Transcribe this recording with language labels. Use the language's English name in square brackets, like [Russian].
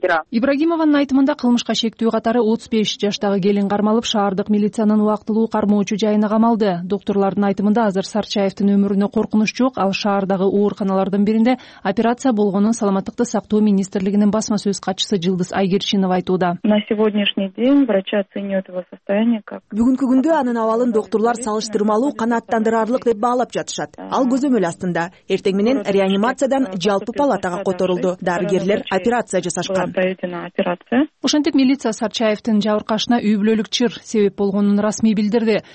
[Kyrgyz] Ибрагимованын айтымында кылмышка шектүү катары 35 жаштагы келин кармалып, шаардык милициянын убактылуу кармоочу жайына камалды. Доктурлардын айтымында азыр Сарчаевдин өмүрүнө коркунуч жок, ал шаардагы ооруканалардын биринде операция болгонун саламаттыкты сактоо министрлигинин басма сөз катчысы Жылдыз Айгерчинова айтууда. [Russian] На сегодняшний день врачи оценивают его состояние как. [Kyrgyz] Бүгүнкү күндө анын абалын доктурлар салыштырмалуу канааттандырарлык деп баалап жатышат. Ал көзөмөл астында. Эртең менен реанимациядан жалпы палатага которулду. Дарыгерлер операция жасашкан. Ошентип милиция Сарчаевдин жабыркашына үй бүлөлүк чыр себеп болгонун расмий билдирди.